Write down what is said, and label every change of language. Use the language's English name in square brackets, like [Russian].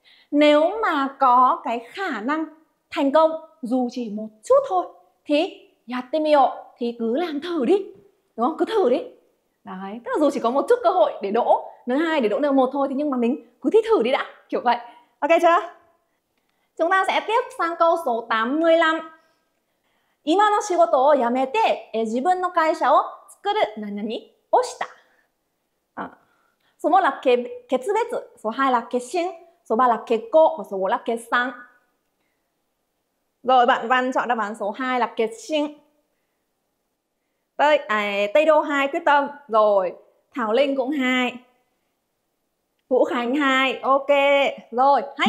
[Vietnamese] Nếu mà có cái khả năng thành công dù chỉ một chút thôi thì [Japanese] yatte miyo, [Vietnamese] thì cứ làm thử đi. Đúng không? Cứ thử đi. Đấy, tức là dù chỉ có một chút cơ hội để đỗ N2, để đỗ N1 thôi, thì nhưng mà mình cứ thi thử đi đã, kiểu vậy. Ok chưa? Chúng ta sẽ tiếp sang câu số 85. [Japanese] 今の仕事を辞めて自分の会社を作る何々をした. [Vietnamese] Số 1 là 決別, số 2 là 決心, số 3 là 結果, và số 4 là 決算. Rồi bạn Văn chọn đáp án số 2 là 決心. Tây Đô 2 quyết tâm. Rồi Thảo Linh cũng 2. Vũ Khánh 2. Ok. Rồi hay.